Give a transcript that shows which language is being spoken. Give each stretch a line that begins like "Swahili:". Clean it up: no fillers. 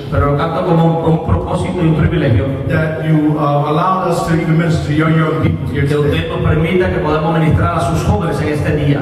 Spanish: Pero canto como un propósito y un privilegio.
English: That you allowed us to even minister to your young people here today.
Spanish: Que usted nos permita que podamos ministrar a sus jóvenes en este día.